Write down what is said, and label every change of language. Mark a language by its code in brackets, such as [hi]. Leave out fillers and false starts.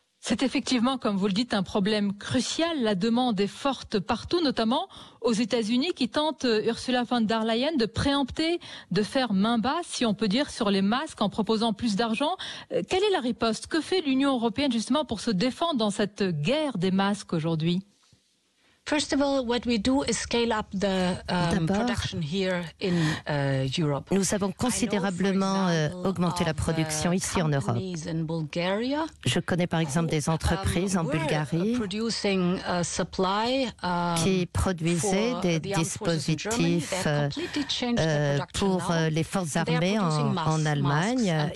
[fr] C'est effectivement, comme vous le dites, un problème crucial. La demande est forte partout, notamment aux États-Unis, qui tentent, Ursula von der Leyen, de préempter, de faire main basse, si on peut dire, sur les masques en proposant plus d'argent. Quelle est la riposte ? Que fait l'Union européenne justement pour se défendre dans cette guerre des masques aujourd'hui ? [en] First of all, what we do is scale up the production here in Europe. [fr] Nous avons considérablement augmenté la production ici en Europe. Je connais par exemple des entreprises en Bulgarie qui produisaient des dispositifs pour les forces armées en Allemagne.